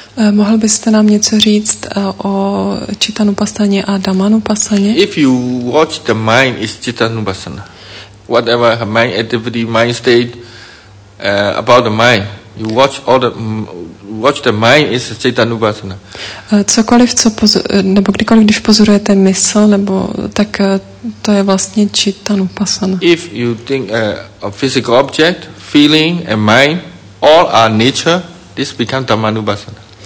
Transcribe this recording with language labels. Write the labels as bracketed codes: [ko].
[cs] Mohl byste nám něco říct o čitanupasaně a damanupasaně? [en] If you watch the mind is čitanupasana. Whatever mind activity, mind state about the mind, you watch all the watch the mind is Chaitanya Upasana. [cs] Cokoliv, co nebo kdykoliv, když pozorujete mysl, nebo tak to je vlastně Chaitanya Upasana. [en] If you think a physical object, feeling and mind, all are nature, this becomes Dhammanu Upasana.